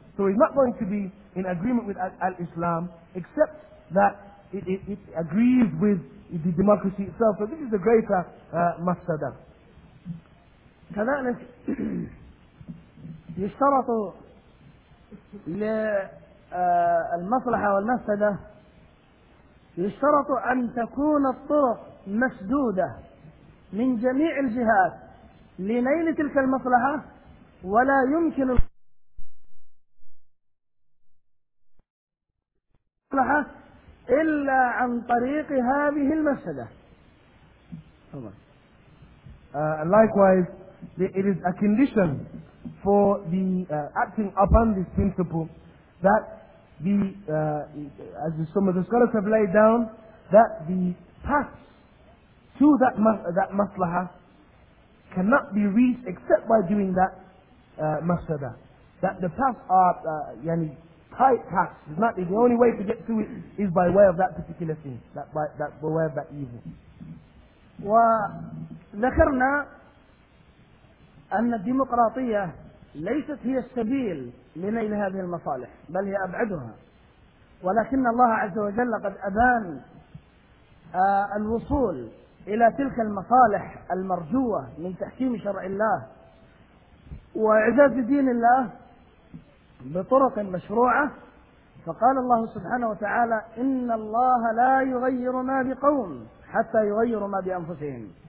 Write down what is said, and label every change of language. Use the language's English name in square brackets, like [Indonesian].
[English] So he's not going to be in agreement with al-Islam, except that it agrees with the democracy itself. So this is the greater mafsada. [Arabic] كذلك يشترط للمصلحة والمفسدة يشترط أن تكون الطرق مسدودة من جميع الجهات لنيل تلك المصلحة ولا يمكن المصلحة إلا عن طريق هذه المفسدة. [English] Likewise, it is a condition for the acting upon this principle that the, as some of the scholars have laid down, that the path to that maslaha cannot be reached except by doing that mafsada. That the paths are tight paths. It's not the only way to get to it is by way of that particular thing. By way of that evil. [Arabic] وذكرنا أن الديمقراطية ليست هي السبيل لنيل هذه المصالح، بل هي أبعدها. ولكن الله عز وجل قد أبان الوصول إلى تلك المصالح المرجوة من تحكيم شرع الله وإعزاز دين الله بطرق مشروعة، فقال الله سبحانه وتعالى: إن الله لا يغير ما بقوم حتى يغير ما بأنفسهم.